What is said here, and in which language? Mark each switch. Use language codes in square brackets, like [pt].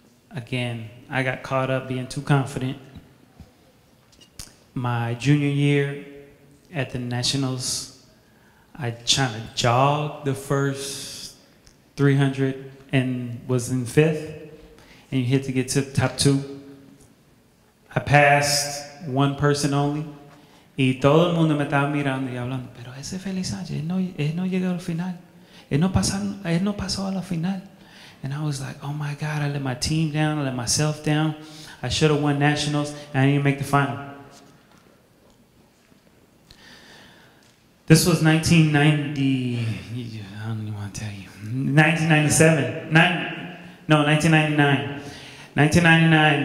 [en] Again, I got caught up being too confident. My junior year at the Nationals, I tried to jog the first 300 and was in fifth, and you hit to get to the top two. I passed one person only, [es] y todo el mundo me estaba mirando y hablando, pero ese Felix Sanchez, él no llegó al final, él no pasó a la final. [en] And I was like, oh my God, I let my team down, I let myself down, I should have won Nationals, and I didn't even make the final. This was 1999.